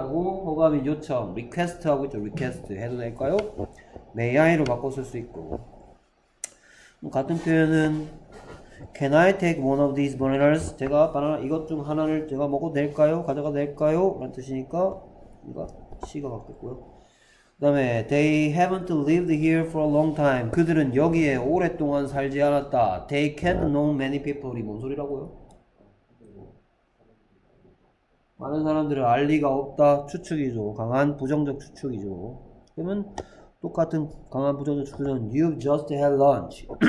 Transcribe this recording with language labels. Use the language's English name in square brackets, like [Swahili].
[Korean] 라고 호감이 요청, request 하고 있죠. request 해도 될까요? [English] May I로 [Korean] 바꿔 쓸수 있고. 같은 표현은 [English] Can I take one of these bananas? [Korean] 제가 바나나 이것 중 하나를 제가 먹어도 될까요? 가져가도 될까요? 라는 뜻이니까 이거 시가 같겠고요. [English] 그다음에 They haven't lived here for a long time. [Korean] 그들은 여기에 오랫동안 살지 않았다. [English] They can't know many people. [Korean] 이뭔 소리라고요? 많은 사람들을 알 리가 없다. 추측이죠. 강한 부정적 추측이죠. 그러면 똑같은 강한 부정적 추측은 [English] You've just had lunch.